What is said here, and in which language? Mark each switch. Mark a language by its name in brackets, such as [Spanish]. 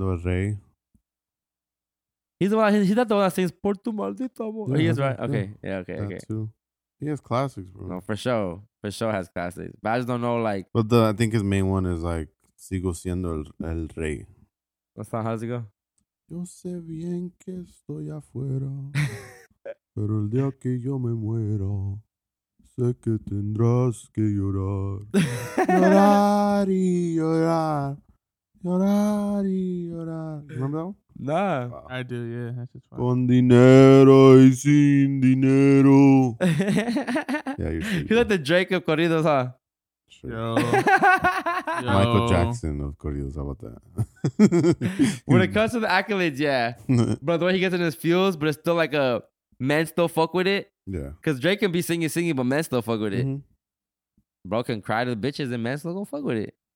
[Spanish] Sigo siendo rey. [English] He's not the one that sings Por tu maldito amor. Yeah, he is, right? Okay. Yeah, okay, that okay. Too. He has classics, bro. No, for sure. For sure has classics. But I just don't know, like. But I think his main one is, like, Sigo siendo el rey. What song? How does it go? [Spanish] Yo sé bien que estoy afuera, pero el día que yo me muera, sé que tendrás que llorar. Llorar y llorar. Llorar y llorar. [English] Remember that one? Nah. Wow. I do, yeah. That's just fine. [Spanish] Con dinero y sin dinero. [English] Yeah, you're like the Drake of corridos, huh? Sure. Yo. Yo. Michael Jackson of corridos, how about that? When it comes to the accolades, yeah. But the way he gets in his feels, but it's still like a men still fuck with it. Yeah. Cause Drake can be singing, but men still fuck with it. Mm-hmm. Bro can cry to the bitches and men still gonna fuck with it.